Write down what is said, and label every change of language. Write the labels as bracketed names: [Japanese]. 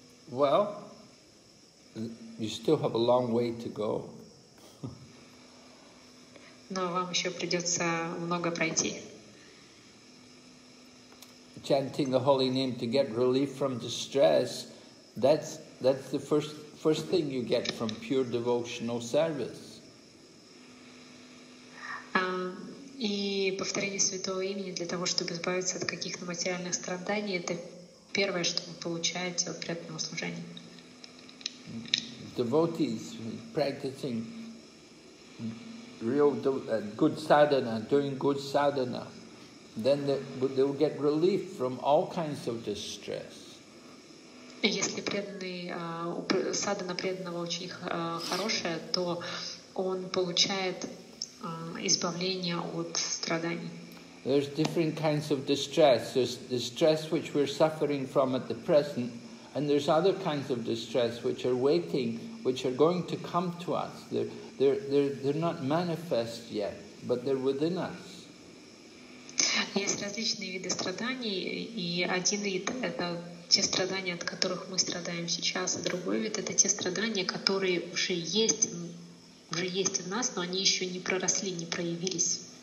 [English] Well, you still have a long way to go. [Russian] Но вам еще придется много пройти. [English] Chanting the holy name to get relief from distress, that's the first thing you get from pure devotional service. [Russian] И повторение святого имени для того, чтобы избавиться от каких-то материальных страданий, это первое, что вы получаете от преданного служения. [English] Devotees practicing real good sadhana, doing good sadhana, then they will get relief from all kinds of distress. [Russian] Если преданный садхана преданного очень хорошая, то он получает избавление от страданий. [English] There's different kinds of distress. There's distress which we're suffering from at the present, and there's other kinds of distress which are waiting, which are going to come to us. They're not manifest yet, but they're within us. [Russian] Есть различные виды страданий, и один вид – это те страдания, от которых мы страдаем сейчас, а другой вид – это те страдания, которые уже есть в нас, но они еще не проросли, не проявились.